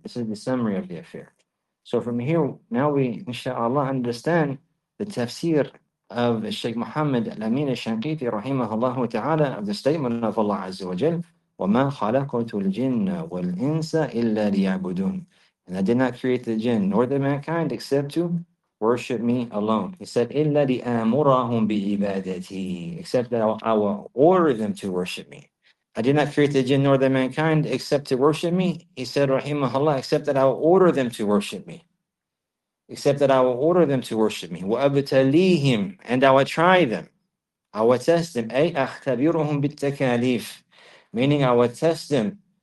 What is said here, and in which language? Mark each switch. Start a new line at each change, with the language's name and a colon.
English: This is the summary of the affair. So from here, now we, inshallah, understand the tafsir of Sheikh Muhammad Al-Amin al-Shanqiti, rahimahullah ta'ala, of the statement of Allah Azza wa Jal,
Arabic: وَمَا خَلَقْتُ الْجِنَّ وَالْإِنسَ إِلَّا لِيَعْبُدُونَ.
English: And I did not create the jinn nor the mankind except to worship me alone. He said,
Arabic: إِلَّا لِأَمُرَهُمْ بِإِبَادَتِي.
English: Except that I will order them to worship me. I did not create the jinn nor the mankind except to worship me. He said, rahimahullah, except that I will order them to worship me.
Arabic: وَأَبْتَلِيهِمْ.
English: And I will try them. I will test them.
Arabic: أَيْ أَخْتَبِرُهُمْ بِالتَّكَالِيفِ.
English: Meaning I will test them